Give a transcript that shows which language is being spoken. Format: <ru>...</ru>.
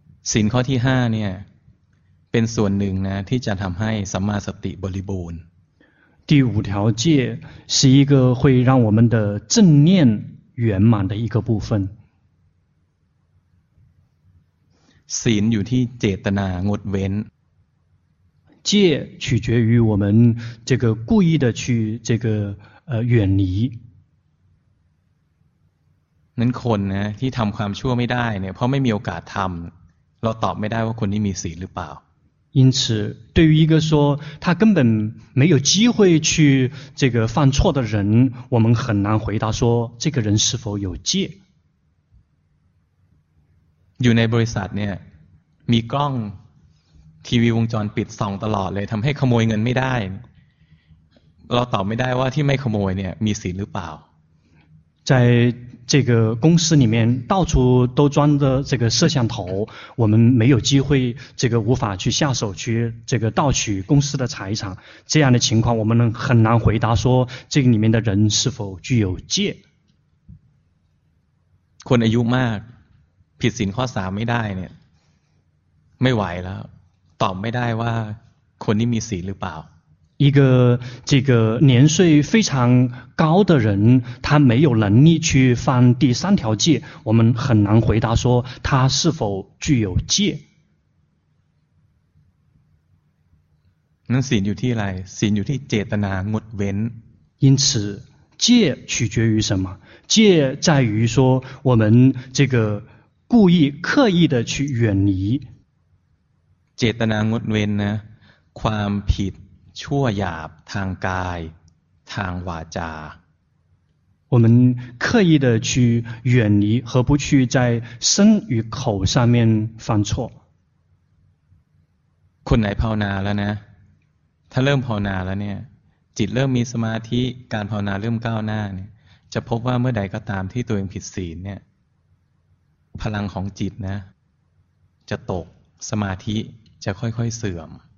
<th>ศีลข้อที่ห้าเนี่ยเป็นส่วนหนึ่งนะที่จะทำให้สัมมาสติบริบูรณ์</th> <zh>第五条戒是一个会让我们的正念圆满的一个部分</zh> <th>ศีลอยู่ที่เจตนางดเว้น</th> <zh>戒取决于我们这个故意的去这个远离</zh> <th>นั้นคนนะที่ทำความชั่วไม่ได้เนี่ยเพราะไม่มีโอกาสทำเราตอบไม่ได้ว่าคนนี้มีศีลหรือเปล่า</th> <zh>因此对于一个说他根本没有机会去这个犯错的人我们很难回答说这个人是否有戒</zh> <th>อยู่ในบริษัทเนี่ยมีกล้องทีวีวงจรปิดส่องตลอดเลยทำให้ขโมยเงินไม่ได้ เราตอบไม่ได้ว่าที่ไม่ขโมยเนี่ยมีศีลหรือเปล่า</th> <zh>在这个公司里面到处都装着这个摄像头我们没有机会这个无法去下手去这个盗取公司的财产这样的情况我们能很难回答说这个里面的人是否具有戒</zh> <th>คนอายุมากผิดศีลข้อ3ไม่ได้เนี่ยไม่ไหวแล้วตอบไม่ได้ว่าคนนี้มีศีลหรือเปล่า</th> <zh>一个这个年岁非常高的人他没有能力去犯第三条戒我们很难回答说他是否具有戒那心</zh> <th>อยู่ที่อะไร心อยู่ที่เจตนางดเว้น</th> <zh>因此戒取决于什么戒在于说我们这个故意刻意的去远离</zh> <th>เจตนางดเว้นนะความผิดชั่วหยาบทางกายทางวาจา</th> <zh>我们刻意的去远离和不去在身与口上面犯错</zh> <th>คนไหนภาวนาแล้วนะถ้าเริ่มภาวนาแล้วเนี่ยจิตเริ่มมีสมาธิการภาวนาเริ่มก้าวหน้าเนี่ยจะพบว่าเมื่อใดก็ตามที่ตัวเองผิดศีลเนี่ยพลังของจิตนะจะตกสมาธิจะค่อยๆเสื่อม</th>